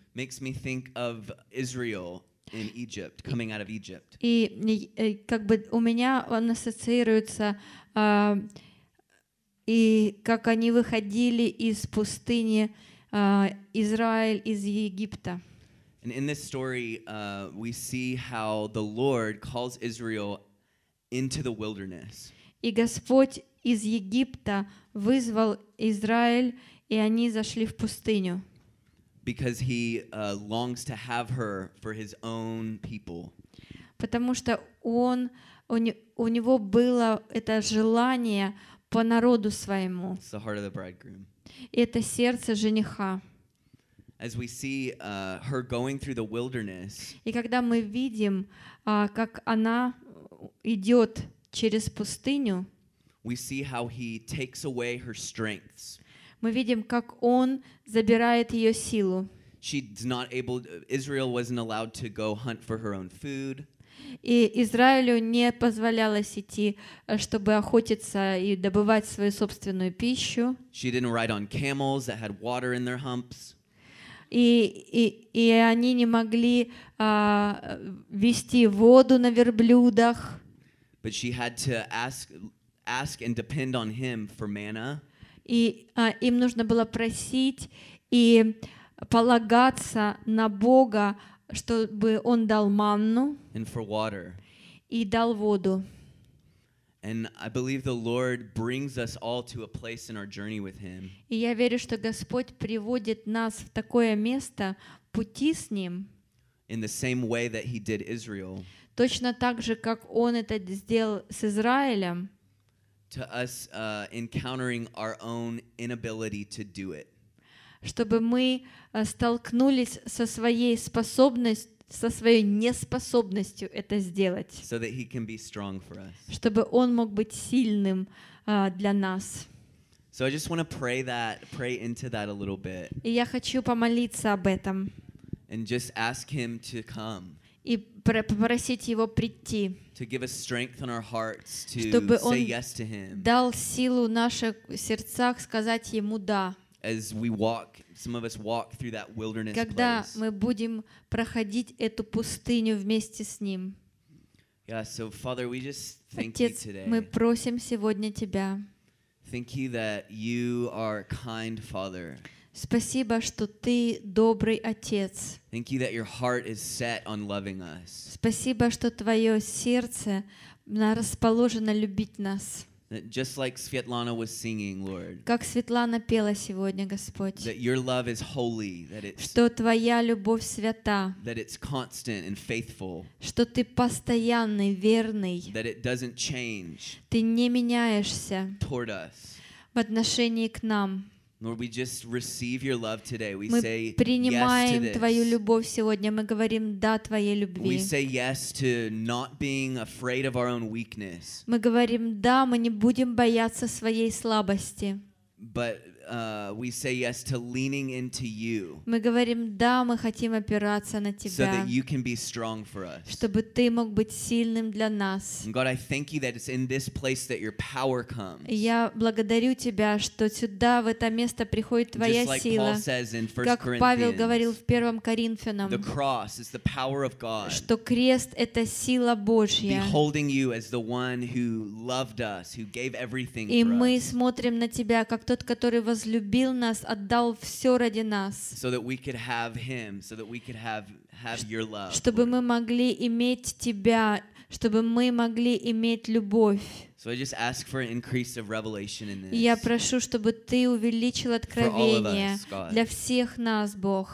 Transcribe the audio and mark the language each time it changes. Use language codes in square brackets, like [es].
[en] makes me think of Israel in Egypt, coming out of Egypt. [ru] И как бы у меня он ассоциируется и как они выходили из пустыни Израиль из Египта. [en] And in this story, we see how the Lord calls Israel into the wilderness. [ru] И Господь из Египта вызвал Израиль, и они зашли в пустыню. [en] Because he longs to have her for his own people. [ru] Потому что он, у него было это желание по народу своему. [en] It's the heart of the bridegroom. [ru] И это сердце жениха. [en] As we see her going through the wilderness. [ru] И когда мы видим, как она идет через пустыню. [en] We see how he takes away her strengths. [ru] Мы видим, как он забирает ее силу. [en] She's not able. Israel wasn't allowed to go hunt for her own food. [ru] И Израилю не позволялось идти, чтобы охотиться и добывать свою собственную пищу. [en] She didn't ride on camels that had water in their humps. [ru] И они не могли вести воду на верблюдах. [en] But she had to ask and depend on him for manna. [ru] И им нужно было просить и полагаться на Бога, чтобы он дал манну. [en] And for water. [ru] И дал воду. [en] And I believe the Lord brings us all to a place in our journey with him. [ru] И я верю, что Господь приводит нас в такое место пути с ним. [en] In the same way that he did Israel. [ru] Точно так же, как он это сделал с Израилем. [en] To us encountering our own inability to do it. [ru] Чтобы мы столкнулись со своей способностью, со своей неспособностью это сделать. [en] So that he can be strong for us. [ru] Чтобы он мог быть сильным для нас. [en] So I just want to pray into that a little bit. [ru] И я хочу помолиться об этом. [en] And just ask him to come. [ru] И попросить его прийти. [en] To give us strength in our hearts to say yes to him. [ru] Дал силу наших сердцах сказать ему да. [en] as we walk, some of us walk through that wilderness. [ru] Когда мы будем проходить эту пустыню вместе с ним. [en] Yeah, so Father, we just thank [ru] Отец, [en] you today. [ru] Мы просим сегодня тебя. [en] Thank you that you are kind, Father. [ru] Спасибо, что ты добрый отец. [en] Thank you that your heart is set on loving us. [ru] Спасибо, что твое сердце расположено любить нас. [en] Just like Svetlana was singing, Lord. [ru] Как Светлана пела сегодня, Господь. [en] That your love is holy, that it's. [ru] Что твоя любовь свята. [en] That it's constant and faithful. [ru] Что ты постоянный, верный. [en] That it doesn't change. [ru] Ты не меняешься. [en] Toward us. [ru] В отношении к нам. [en] Lord, we just receive your love today. We [ru] мы [en] say yes to this. [ru] Мы принимаем твою любовь сегодня. Мы говорим да твоей любви. [en] We say yes to not being afraid of our own weakness. [ru] Мы говорим да, мы не будем бояться своей слабости. [en] But we say yes to leaning into you. [ru] Мы говорим да, мы хотим опираться на тебя. [en] So that you can be strong for us. [ru] Чтобы ты мог быть сильным для нас. [en] And God, I thank you that it's in this place that your power comes. [ru] Я благодарю тебя, что сюда в это место приходит твоя сила. [en] Just like Paul says in 1 Corinthians. [ru] Как Павел говорил в 1 Коринфянам. [en] The cross is the power of God. [ru] Что крест это сила Божья. [en] Beholding you as the one who loved us, who gave everything for [ru] us. И мы смотрим на тебя как тот, который возлюбил нас, отдал все ради нас, чтобы мы могли иметь тебя, чтобы мы могли иметь любовь. Я прошу, чтобы ты увеличил откровение для всех нас, Бог.